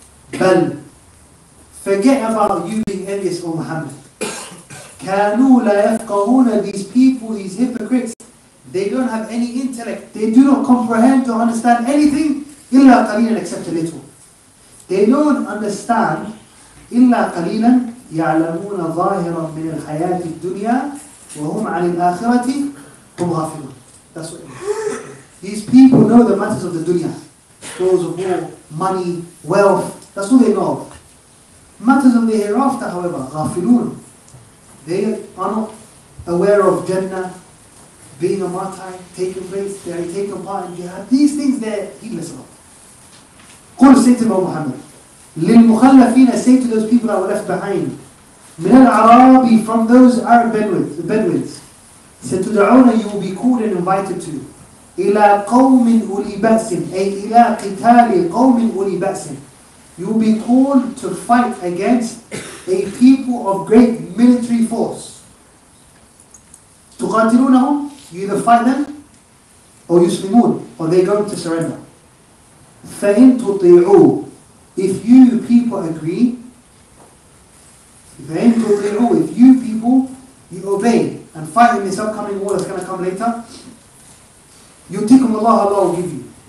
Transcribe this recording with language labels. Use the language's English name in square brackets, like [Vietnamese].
[English] Bal, forget about you being envious, O Muhammad. [Arabic] Kanu la yafqahuna, [English] these people, these hypocrites, they don't have any intellect. They do not comprehend or understand anything [Arabic] illa qaleelan, [English] except a little. They don't understand. [Arabic] إلا قليلا يعلمون ظاهرا من الحياة الدنيا وهم عن الآخرة هم غافلون. [English] That's what it means. These people know the matters of the dunya, those of war, money, wealth. That's all they know. Matters of the hereafter, however, [Arabic] غافلون. [English] They are not aware of Jannah, being a martyr, taking place, they are taking part in jihad. These things they're heedless about. [Arabic] قل [English] say to Muhammad. [Arabic] للمخلفين, [English] say to those people that were left behind. [Arabic] من العرابي, [English] from those Arab Bedouins, [Arabic] ستدعون, [English] you will be called and invited to. [Arabic] إلى قوم أولي بأس, أي إلى قتال قوم أولي بأس. [English] You will be called to fight against a people of great military force. [Arabic] تقاتلونهم, [English] you either fight them or [Arabic] يسلمون, [English] or they're going to surrender. [Arabic] فإن تطيعوا, [English] if you people agree, if you people, you obey and fight in this upcoming war that's going to come later, [Arabic] yu'tikum Allah, [English] Allah will give you.